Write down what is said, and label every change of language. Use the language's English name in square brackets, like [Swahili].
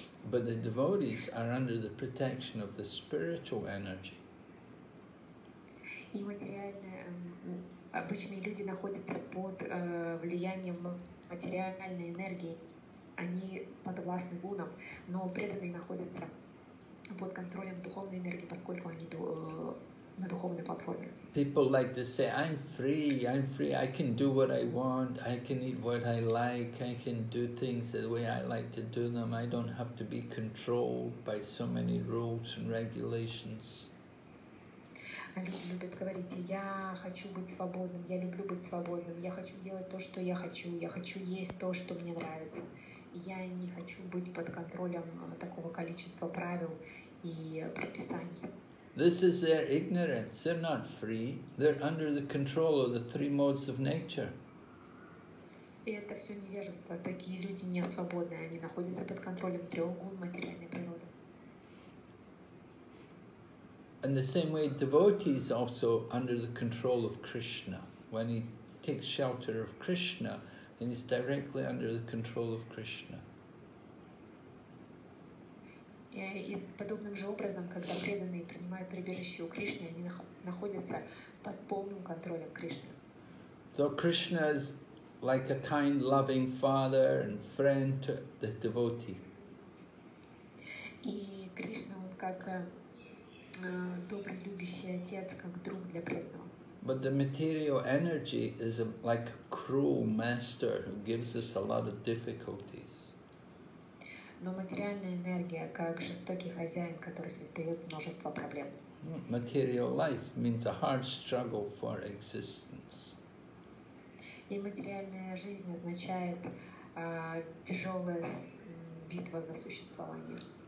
[English] But the devotees are under the protection of the spiritual energy. [Russian] И материальное, обычные люди находятся под влиянием материальной энергии. Они подвластны гунам, но преданные находятся под контролем духовной энергии, поскольку они на духовной платформе. [English] People like to say, I'm free, I can do what I want, I can eat what I like, I can do things the way I like to do them, I don't have to be controlled by so many rules and regulations. [Russian] Люди любят говорить, я хочу быть свободным, я люблю быть свободным, я хочу делать то, что я хочу есть то, что мне нравится. Я не хочу быть под контролем такого количества правил и предписаний. [English] This is their ignorance. They're not free. They're under the control of the three modes of nature. [Russian] И это все невежество. Такие люди не свободны. Они находятся под контролем трех гун материальной. [English] In the same way, devotee is also under the control of Krishna. When he takes shelter of Krishna, then he's directly under the control of Krishna. [Russian] И подобным же образом, когда преданные принимают прибежище у Кришны, они находятся под полным контролем Кришны. [English] So Krishna is like a kind, loving father and friend to the devotee. [Russian] И Кришна, он как добрый, любящий отец, как друг для преданного. [English] But the material energy is like a cruel master who gives us a lot of difficulties. [Russian] Но материальная энергия как жестокий хозяин, который создает множество проблем. [English] Material life means a hard struggle for existence. [Russian] И материальная жизнь означает тяжелая битва за существование.